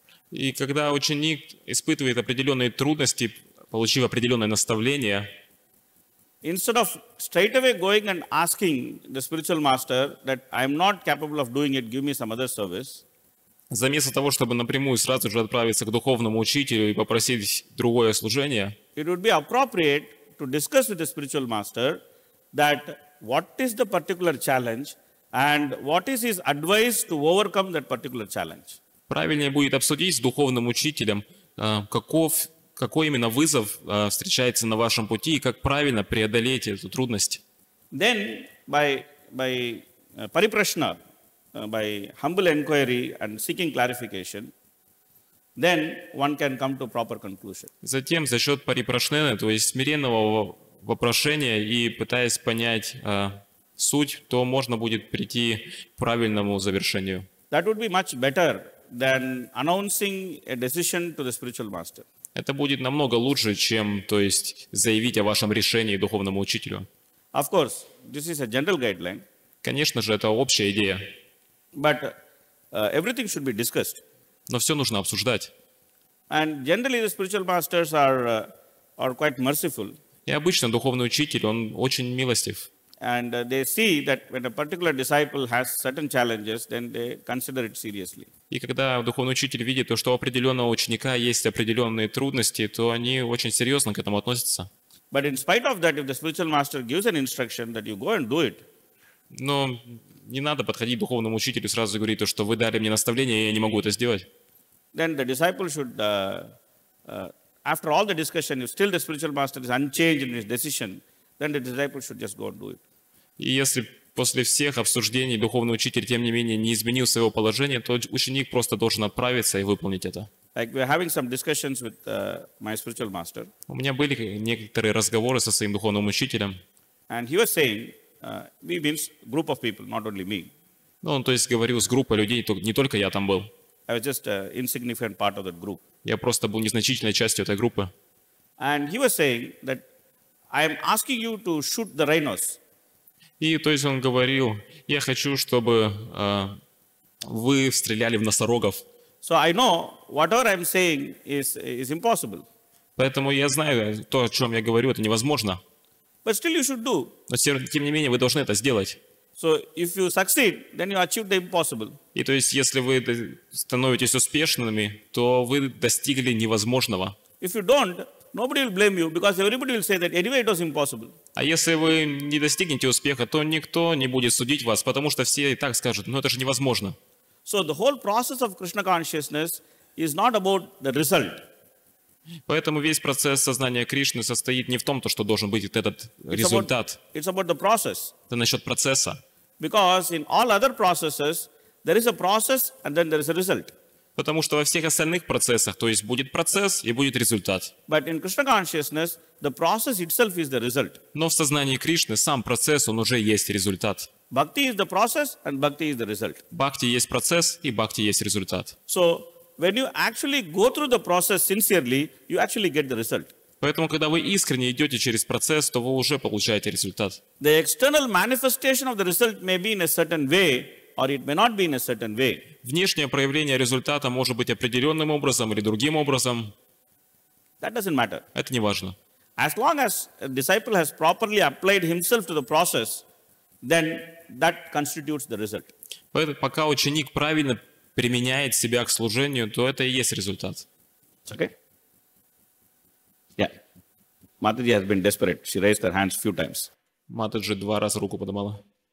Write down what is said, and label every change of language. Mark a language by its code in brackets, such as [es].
[ru] И когда ученик испытывает определенные трудности, получив определенное наставление, [en] instead of straight away going and asking the spiritual master that I am not capable of doing it, give me some other service. [ru] Заместо того, чтобы напрямую сразу же отправиться к духовному учителю и попросить другое служение, [en] it would be appropriate to discuss with the spiritual master that what is the particular challenge and what is his advice to overcome that particular challenge. [ru] Правильнее будет обсудить с духовным учителем, какой именно вызов встречается на вашем пути и как правильно преодолеть эту трудность. [en] Then by парипрашна, by humble inquiry and seeking clarification, then one can come to proper conclusion. [ru] Затем за счет парипрашнены, то есть смиренного вопрошения и пытаясь понять суть, то можно будет прийти к правильному завершению. [en] That would be much better than announcing a decision to the spiritual master. [ru] Это будет намного лучше, чем, то есть, заявить о вашем решении духовному учителю. [en] Of course, this is a general guideline. [ru] Конечно же, это общая идея. [en] But everything should be discussed. [ru] Но все нужно обсуждать. [en] And generally the spiritual masters are quite merciful. [ru] И обычно духовный учитель, он очень милостив. [en] And they see that when a particular disciple has certain challenges, then they consider it seriously. [ru] И когда духовный учитель видит то, что у определенного ученика есть определенные трудности, то они очень серьезно к этому относятся. [en] But in spite of that, if the spiritual master gives an instruction that you go and do it. [ru] Но не надо подходить к духовному учителю сразу говорить то, что вы дали мне наставление, и я не могу это сделать. [en] Then the disciple should, after all the discussion, if still the spiritual master is unchanged in his decision, then the disciple should just go and do it. [ru] И если после всех обсуждений духовный учитель, тем не менее, не изменил своего положения, то ученик просто должен отправиться и выполнить это. [en] Like we're having some discussions with my spiritual master. [ru] У меня были некоторые разговоры со своим духовным учителем. [en] And he was saying, we means group of people, not only me. [ru] Ну, он, то есть, говорил с группой людей, не только я там был. [en] I was just an insignificant part of that group. [ru] Я просто был незначительной частью этой группы. [en] And he was saying that I am asking you to shoot the rhinos. [ru] И, то есть, он говорил, я хочу, чтобы вы стреляли в носорогов. [en] So I know whatever I'm saying is impossible. [ru] Поэтому я знаю, то, о чем я говорю, это невозможно. [en] But still you should do. [ru] Но тем не менее, вы должны это сделать. [en] So if you succeed, then you achieve the impossible. [ru] И то есть, если вы становитесь успешными, то вы достигли невозможного. [en] If you don't, nobody will blame you because everybody will say that anyway it was impossible. [ru] А если вы не достигнете успеха, то никто не будет судить вас, потому что все и так скажут: ну это же невозможно. [en] So the whole process of Krishna consciousness is not about the result. [ru] Поэтому весь процесс сознания Кришны состоит не в том, то, что должен быть этот результат. [en] It's about the process. [ru] Это насчет процесса. [en] Because in all other processes, there is a process and then there is a result. [ru] Потому что во всех остальных процессах, то есть будет процесс и будет результат. [en] But in Krishna consciousness, the process itself is the result. [ru] Но в сознании Кришны сам процесс, он уже есть результат. [en] Bhakti is the process and bhakti is the result. [ru] Бхакти есть процесс и бхакти есть результат. [en] So, when you actually go through the process sincerely, you actually get the result. [ru] Поэтому, когда вы искренне идете через процесс, то вы уже получаете результат. [en] The external manifestation of the result may be in a certain way, or it may not be in a certain way. [ru] Внешнее проявление результата может быть определенным образом или другим образом. [en] That doesn't matter. [ru] Это не важно. [en] As long as a disciple has properly applied himself to the process, then that constitutes the result. [ru] Поэтому, пока ученик правильно применяет себя к служению, то это и есть результат. [en] Okay. Yeah. Mataji has been desperate. She raised her hands few times. [ru] Матаджи два раза руку подымала.